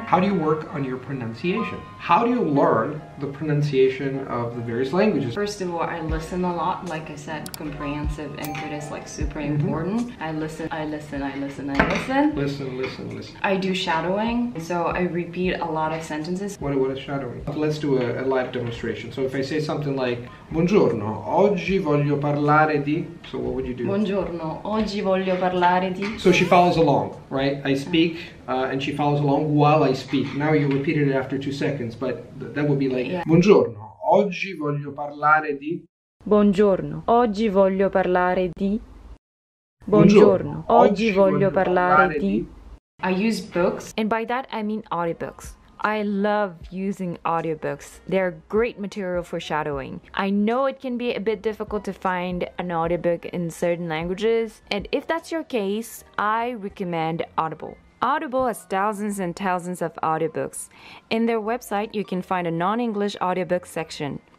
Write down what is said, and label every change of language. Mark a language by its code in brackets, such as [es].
[en] how do you work on your pronunciation? How do you learn the pronunciation of the various languages? First of all, I listen a lot. Like I said, comprehensive input is like super important. Mm-hmm. I listen. Listen. I do shadowing, so I repeat a lot of sentences. What is shadowing? Let's do a live demonstration. So if I say something like, [it] buongiorno, oggi voglio parlare di... [en] So what would you do? [it] Buongiorno, oggi voglio parlare di... [en] So she follows along, right? I speak and she follows along while I speak. Now you repeated it after 2 seconds, but that would be like, yeah. [it] Buongiorno, oggi voglio parlare di... Buongiorno, oggi voglio parlare di... Buongiorno, oggi voglio parlare di... [en] I use books, and by that I mean audiobooks. I love using audiobooks. They're great material for shadowing. I know it can be a bit difficult to find an audiobook in certain languages, and if that's your case, I recommend Audible. Audible has thousands and thousands of audiobooks. In their website, you can find a non-English audiobook section.